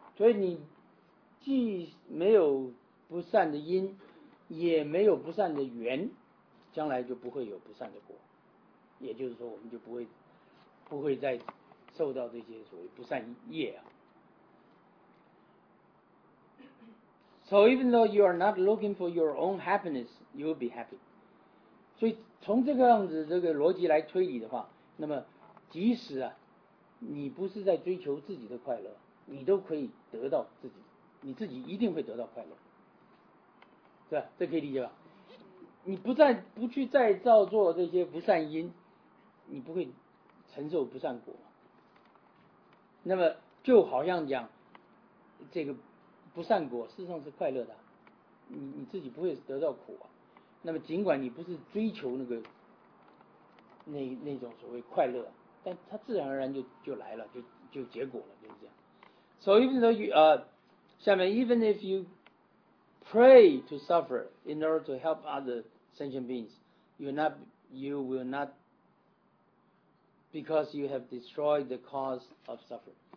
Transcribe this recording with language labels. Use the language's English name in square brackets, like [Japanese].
[Chinese] 所以你既没有不善的因，也没有不善的缘，将来就不会有不善的果。也就是说，我们就不会再受到这些所谓不善业啊。 [English] So even though you are not looking for your own happiness, you will be happy. [Chinese] 所以从这个样子这个逻辑来推理的话，那么即使啊，你不是在追求自己的快乐，你都可以得到自己，你自己一定会得到快乐，是吧？这可以理解吧？你不去再造作这些不善因，你不会承受不善果。那么就好像讲这个。不善果事实上是快乐的，你自己不会得到苦啊。那么尽管你不是追求那个那种所谓快乐，但它自然而然就来了，就结果了，就是这样。 [English] So even though you [Chinese] 下面 [English] even if you pray to suffer in order to help other sentient beings, you will not because you have destroyed the cause of suffering.